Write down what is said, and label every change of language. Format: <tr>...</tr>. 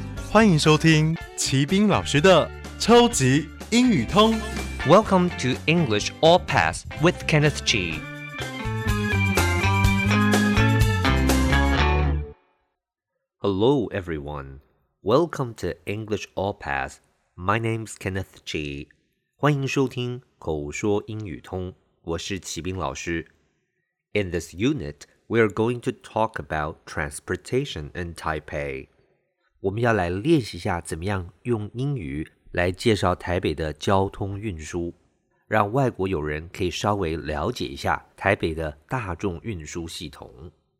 <zh>欢迎收听齐宾老师的超级英语通。</zh> <en>Welcome to English All Pass with Kenneth G. Hello, everyone. Welcome to English All Pass. My name's Kenneth G.</en> <zh>欢迎收听口说英语通。我是齐宾老师。</zh> <en>In this unit, we are going to talk about transportation in Taipei.</en> <zh>我们要来练习一下怎么样用英语来介绍台北的交通运输，让外国友人可以稍微了解一下台北的大众运输系统。</zh>